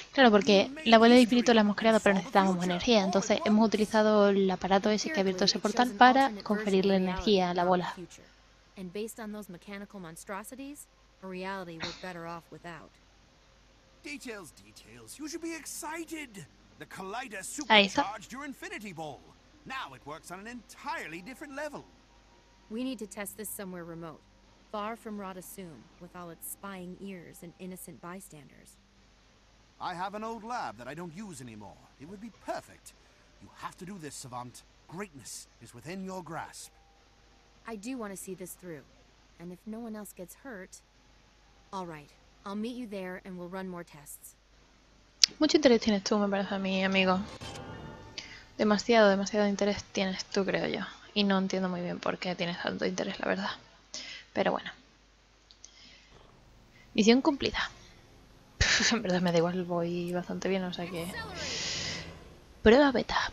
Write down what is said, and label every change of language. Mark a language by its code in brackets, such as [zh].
[es] Claro, porque la bola de infinito la hemos creado, pero necesitábamos energía. Entonces hemos utilizado el aparato ese que ha abierto ese portal para conferirle energía a la bola. [en] And based on those mechanical monstrosities, a reality we're better off without. Details, details. You should be excited. The collider supercharged your infinity ball. Now it works on an entirely different level. We need to test this somewhere remote. Far from Radasum, with all its spying ears and innocent bystanders. I have an old lab that I don't use anymore. It would be perfect. You have to do this, Savant. Greatness is within your grasp. I do want to see this through. And if no one else gets hurt... All right. I'll meet you there and we'll run more tests. [es] Mucho interés tienes tú, me parece a mí, amigo. Demasiado, demasiado interés tienes tú, creo yo. Y no entiendo muy bien por qué tienes tanto interés, la verdad. Pero bueno. Misión cumplida. En verdad me da igual, voy bastante bien, o sea que... Prueba beta.